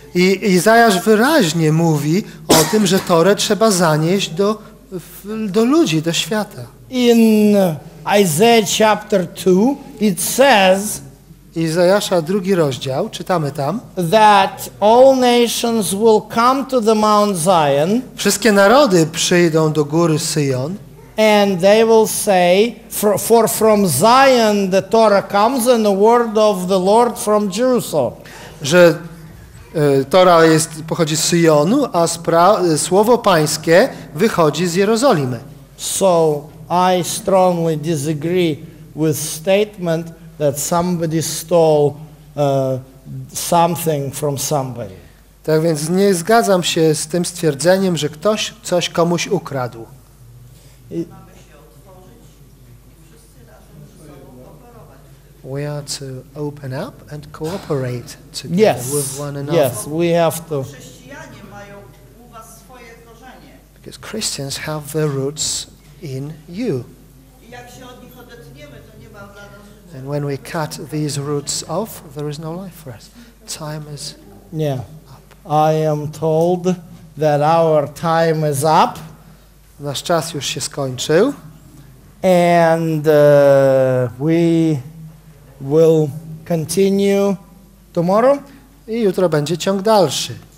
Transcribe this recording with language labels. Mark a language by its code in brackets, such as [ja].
[pl] I Izajasz wyraźnie mówi o tym, że Torę trzeba zanieść do ludzi, do świata. [en] In Isaiah chapter 2 it says, [pl] Izajasza drugi rozdział, czytamy tam, [en] that all nations will come to the Mount Zion, [pl] wszystkie narody przyjdą do góry Syjon, [en] and they will say, for from Zion the Torah comes and the word of the Lord from Jerusalem. [pl] Że Tora jest, pochodzi z Syjonu, a słowo Pańskie wychodzi z Jerozolimy. [en] So I strongly disagree with statement that somebody stole something from somebody. [pl] Tak więc nie zgadzam się z tym stwierdzeniem, że ktoś coś komuś ukradł. [en] We are to open up and cooperate together, yes, with one another. Yes, we have to. [pl] Chrześcijanie mają u was swoje korzenie. [en] Because Christians have their roots in you. [pl] I jak się od nich odetniemy, to nie ma dla nas. [en] And when we cut these roots off, there is no life for us. Time is up. I am told that our time is up. [pl] Nasz czas już się skończył. [en] And we will continue tomorrow. [pl] I jutro będzie ciąg dalszy.